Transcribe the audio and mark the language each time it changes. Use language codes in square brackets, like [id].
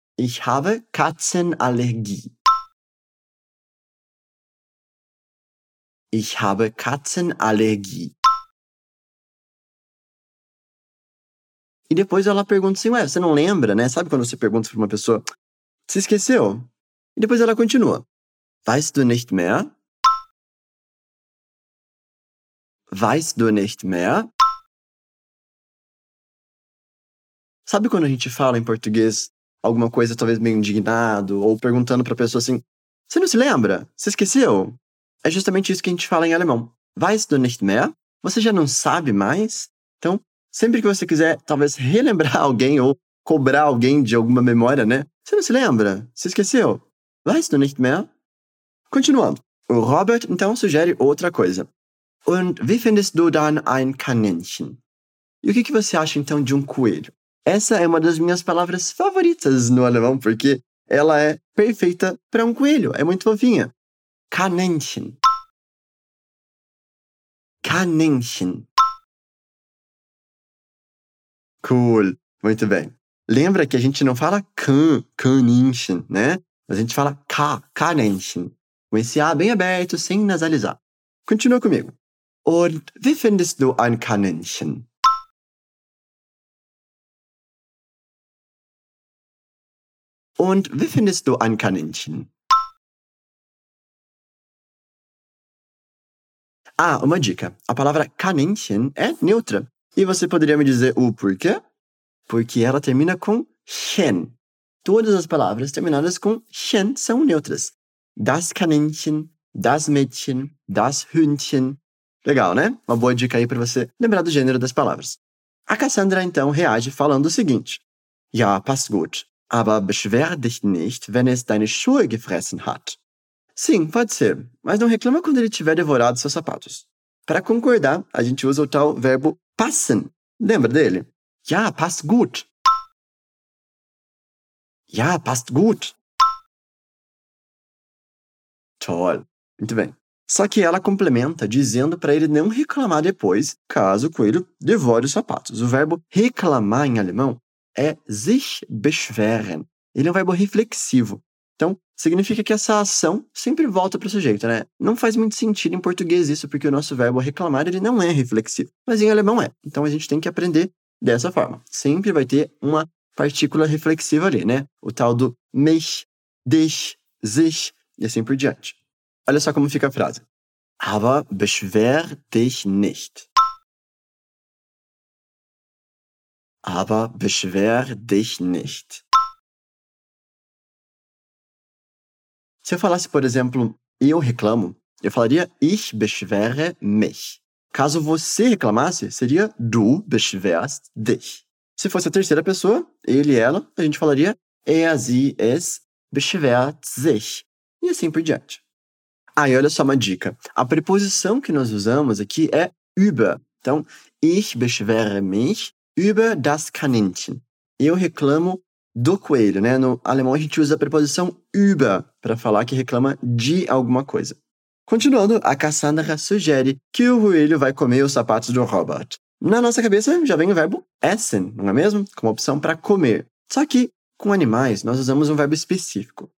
[de] Ich habe Katzenallergie. Ich habe Katzenallergie. [pt] E depois ela pergunta assim, ué, você não lembra, né? Sabe quando você pergunta para uma pessoa, se esqueceu? E depois ela continua. [de] Weißt du nicht mehr? Weißt du nicht mehr? [pt] Sabe quando a gente fala em português alguma coisa talvez meio indignado ou perguntando para a pessoa assim, você não se lembra? Você esqueceu? É justamente isso que a gente fala em alemão. [de] Weißt du nicht mehr? [pt] Você já não sabe mais? Então, sempre que você quiser talvez relembrar alguém ou cobrar alguém de alguma memória, né? Você não se lembra? Você esqueceu? [de] Weißt du nicht mehr? [pt] Continuando. O Robert, então, sugere outra coisa. [de] Und wie findest du dann ein Kaninchen? [pt] E o que você acha, então, de um coelho? Essa é uma das minhas palavras favoritas no alemão, porque ela é perfeita para um coelho. É muito fofinha. Kaninchen. [de] Kaninchen. [pt] Cool. Muito bem. Lembra que a gente não fala Kaninchen, né? A gente fala Kaninchen. Com esse A bem aberto, sem nasalizar. Continua comigo. [de] Und wie findest du ein Kaninchen? Und wie findest du ein Kaninchen? [pt] Ah, uma dica. A palavra Kaninchen é neutra. E você poderia me dizer o porquê? Porque ela termina com chen. Todas as palavras terminadas com chen são neutras. [de] Das Kaninchen, das Mädchen, das Hündchen. [pt] Legal, né? Uma boa dica aí para você lembrar do gênero das palavras. A Cassandra, então, reage falando o seguinte. [de] Ja, passt gut. Aber beschwer dich nicht, wenn es deine Schuhe gefressen hat. [pt] Sim, pode ser. Mas não reclama quando ele tiver devorado seus sapatos. Para concordar, a gente usa o tal verbo passen. Lembra dele? [de] Ja, passt gut. Ja, passt gut. Toll. [pt] Muito bem. Só que ela complementa dizendo para ele não reclamar depois, caso o coelho devore os sapatos. O verbo reclamar em alemão é sich beschweren. Ele é um verbo reflexivo. Então, significa que essa ação sempre volta para o sujeito, né? Não faz muito sentido em português isso, porque o nosso verbo reclamar ele não é reflexivo, mas em alemão é. Então, a gente tem que aprender dessa forma. Sempre vai ter uma partícula reflexiva ali, né? O tal do mich, dich, sich e assim por diante. Olha só como fica a frase. [de] Aber beschwer dich nicht. Aber beschwer dich nicht. [pt] Se eu falasse, por exemplo, eu reclamo, eu falaria [de] ich beschwere mich. [pt] Caso você reclamasse, seria [de] du beschwerst dich. [pt] Se fosse a terceira pessoa, ele e ela, a gente falaria [de] er, sie, es beschwert sich. [pt] E assim por diante. Ah, e olha só uma dica. A preposição que nós usamos aqui é über. Então, [de] ich beschwere mich über das Kaninchen. [pt] Eu reclamo do coelho, né? No alemão, a gente usa a preposição über para falar que reclama de alguma coisa. Continuando, a Cassandra sugere que o coelho vai comer os sapatos do Robert. Na nossa cabeça, já vem o verbo essen, não é mesmo? Como opção para comer. Só que, com animais, nós usamos um verbo específico.